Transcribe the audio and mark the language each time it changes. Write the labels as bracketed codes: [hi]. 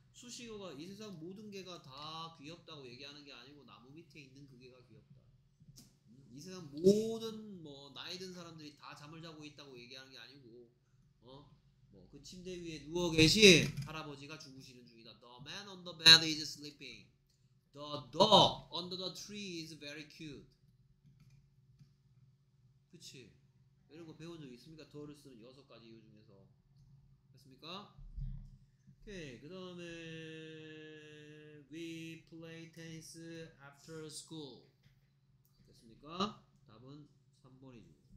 [ko] 수식어가 이 세상 모든 게가 다 귀엽다고 얘기하는 게 아니고 나무 밑에 있는 그게가 귀엽다. 이 세상 모든 뭐 나이 든 사람들이 다 잠을 자고 있다고 얘기하는 게 아니고 어? 뭐 그 침대 위에 누워 계신 할아버지가 주무시는 중이다. [en] The man on the bed is sleeping. The dog under the tree is very cute. [ko] 그치? 이런 거 배운 적 있습니까? 더를 쓰는 여섯 가지 이유 중에서. 됐습니까? 오케이. 그 다음에 We play tennis after school. 됐습니까? 답은 3번이죠.